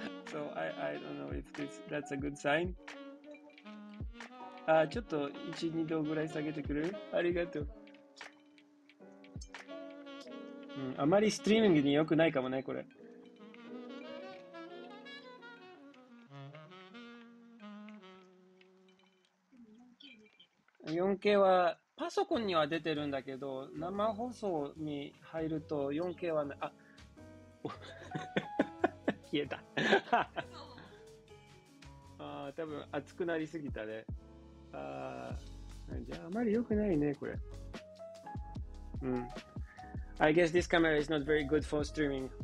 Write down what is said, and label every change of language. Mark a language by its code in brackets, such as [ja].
[en] So I don't know if that's a good sign. [ja] Ah, ちょっと一二度ぐらい下げてくれる?ありがとう。あまりストリーミングに良くないかもね、これ。 4K はパソコンには出てるんだけど、生放送に入ると 4K はない。あ、消えた。ああ、多分熱くなりすぎたね。ああ、じゃああまり良くないね、これ。 [en] I guess this camera is not very good for streaming.